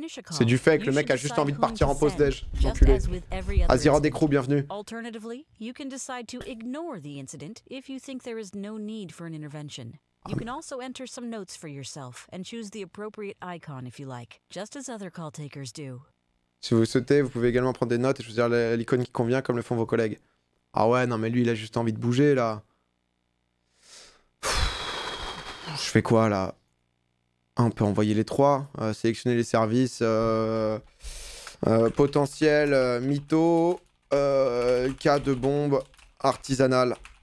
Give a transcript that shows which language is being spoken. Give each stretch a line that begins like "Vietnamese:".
French: C'est du fake, le mec a juste envie de partir en pause déj. Enculé. Azira Décrou, bienvenue.
English: Alternatively, you can decide to ignore the incident if you think there is no need for an intervention. You can also enter some notes for yourself and choose the appropriate icon if you like, just as other call takers do.
French: Si vous souhaitez, vous pouvez également prendre des notes et choisir l'icône qui convient comme le font vos collègues. Ah ouais, non mais lui il a juste envie de bouger là. Je fais quoi là? On peut envoyer les trois, sélectionner les services, potentiel, mytho, cas de bombe, artisanal.